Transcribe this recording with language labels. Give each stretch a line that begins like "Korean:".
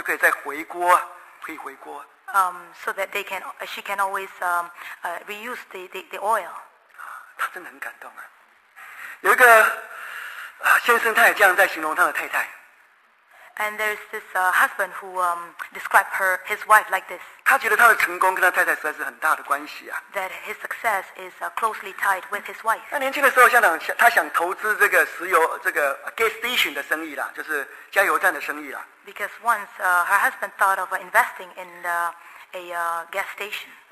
Chinese: 那油没有跳出来哈，下一个煮的哈，就可以再回锅，可以回锅。
English: So that they can, she can always reuse the oil.
Chinese: 他真的很感动啊。有一个先生，他也这样在形容他的太太。
English: And there's this husband who described his wife like this.
Chinese: 他觉得他的成功跟他太太实在是很大的关系啊。
English: That his success is closely tied with his wife.
Chinese: 那年轻的时候，他想投资这个石油这个 gas station 的生意啦，就是加油站的生意啦。
English: Because once her husband thought of investing in gas station.